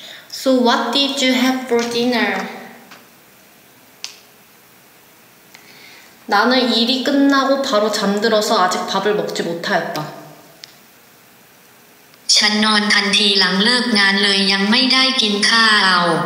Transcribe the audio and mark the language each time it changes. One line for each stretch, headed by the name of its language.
English: So, what did you have for dinner?
Korean: 나는 일이 끝나고 바로 잠들어서 아직 밥을 먹지 못하였다.
Thai: ฉันนอนทันทีหลังเลิกงานเลยยังไม่ได้กินข้าว